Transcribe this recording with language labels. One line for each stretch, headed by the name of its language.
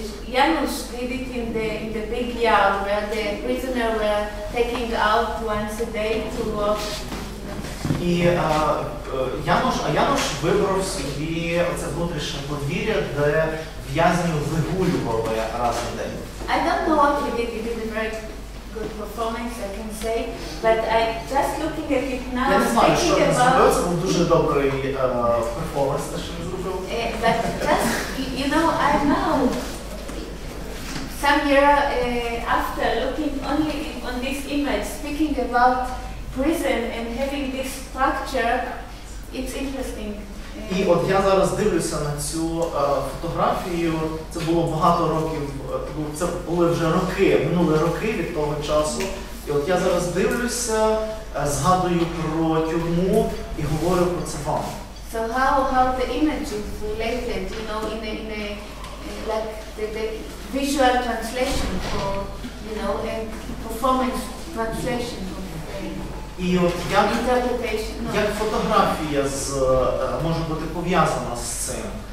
English: Janusz did it in the big yard where the prisoners were taking out once a day to work.
Ukrainian: І Janusz вибрав собі оце внутрішнє подвір'я, де в'язні вигулювали раз на день.
English: I don't know what he did. He did a very good performance, I can say. But I just looking at it now, thinking about...
Ukrainian: Я не знаю, дуже добрий перформанс, те, що він зробив. But just, you know, I know.
English: Some year after looking only on this image, speaking about prison and having this structure, it's interesting.
Ukrainian: І от я зараз дивлюся на цю фотографію. Це було багато років, це були вже роки, минули роки від того часу. І от я зараз дивлюся, згадую про тюрму і говорю про це вам.
English: So how the image is related, you know, in a like the visual translation for, you know, a performance translation of the thing. Interpretation. No.
Ukrainian: Як фотографія може бути пов'язана з цим?